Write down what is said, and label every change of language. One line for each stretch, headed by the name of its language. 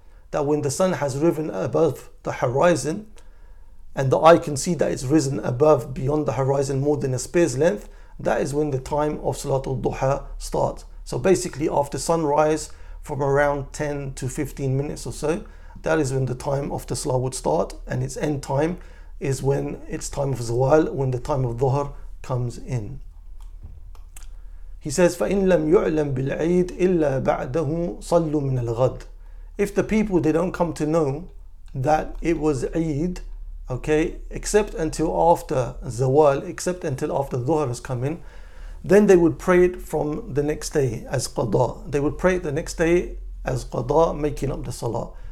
English: That when the sun has risen above the horizon, and the eye can see that it's risen above, beyond the horizon, more than a spear's length, that is when the time of Salatul Duha starts. So basically after sunrise, from around 10 to 15 minutes or so, that is when the time of the Salah would start, and its end time is when it's time of Zawal, when the time of Dhuhr comes in. He says,
Arabic: فَإِنْ لَمْ يُعْلَمْ بِالْعِيدِ إِلَّا بَعْدَهُ صَلُّ مِنَ الْغَدِ.
English: If the people, they don't come to know that it was Eid, okay, except until after Zawal, except until after Dhuhr has come in, then they would pray it from the next day as Qadha. They would pray it the next day as Qadha, making up the Salah.